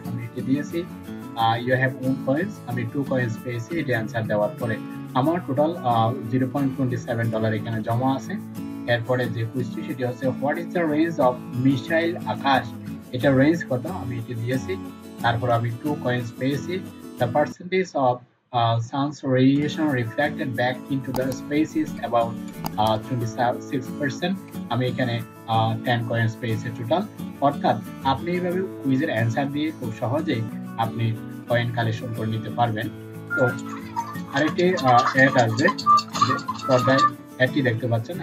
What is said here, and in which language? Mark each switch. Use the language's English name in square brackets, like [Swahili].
[Bangla] আমি এটি দিয়েছি, [English] you have one coins, [Bangla] আমি টু কয়েন্স পেয়েছি। এটি অ্যান্সার দেওয়ার পরে আমার টোটাল $0.27 এখানে জমা আছে। এরপরে যে কুইজটি সেটি হচ্ছে [English] what is the range of missile Akash, [Bangla] এটা রেঞ্জ কত, আমি এটি দিয়েছি। তারপর আমি টু কয়েন্স পেয়েছি। [English] The percentage of sun's radiation reflected back into the space is about 26%. [Bangla] আমি এখানে 10 কয়েন পেয়েছি টোটাল। অর্থাৎ আপনি এইভাবে কুইজের অ্যান্সার দিয়ে খুব সহজেই আপনি কয়েন কালেকশন করে নিতে পারবেন। তো আরেকটি অ্যাড আসবে, পর্দায় অ্যাডটি দেখতে পাচ্ছেন।